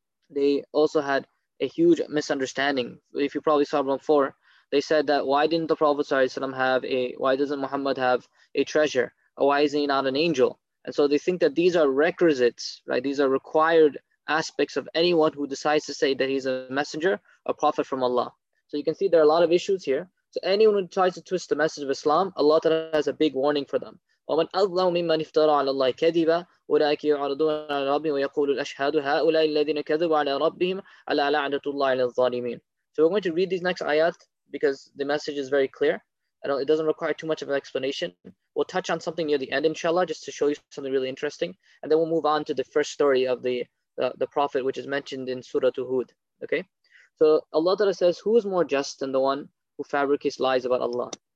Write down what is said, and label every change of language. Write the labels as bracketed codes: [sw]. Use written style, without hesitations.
[en] They also had a huge misunderstanding. If you probably saw before, they said that why didn't the Prophet ﷺ have a, why doesn't Muhammad have a treasure? Or why is he not an angel? And so they think that these are requisites, right? These are required aspects of anyone who decides to say that he's a messenger, a prophet from Allah. So you can see there are a lot of issues here. So anyone who tries to twist the message of Islam, Allah Ta'ala has a big warning for them. [ar] ومن أظلم ممن افترى على الله كذبا أولئك يعرضون على ربهم ويقول الأشهاد هؤلاء الذين كذبوا على ربهم ألا لعنة الله على الظالمين. [en] So we're going to read these next ayat because the message is very clear. It doesn't require too much of an explanation. We'll touch on something near the end, inshallah, just to show you something really interesting. And then we'll move on to the first story of the Prophet, which is mentioned in Surah Hud. Okay? So Allah Ta'ala says, who is more just than the one who fabricates lies about Allah?